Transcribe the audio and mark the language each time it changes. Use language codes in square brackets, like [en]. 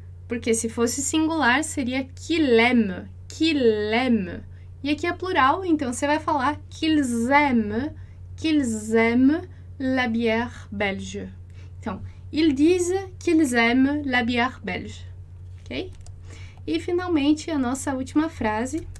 [pt] Porque se fosse singular, seria [fr] qu'il aime, qu'il aime. [pt] E aqui é plural, então você vai falar [fr] qu'ils aiment la bière belge. Então, ils disent qu'ils aiment la bière belge. [pt] Ok? E finalmente, a nossa última frase.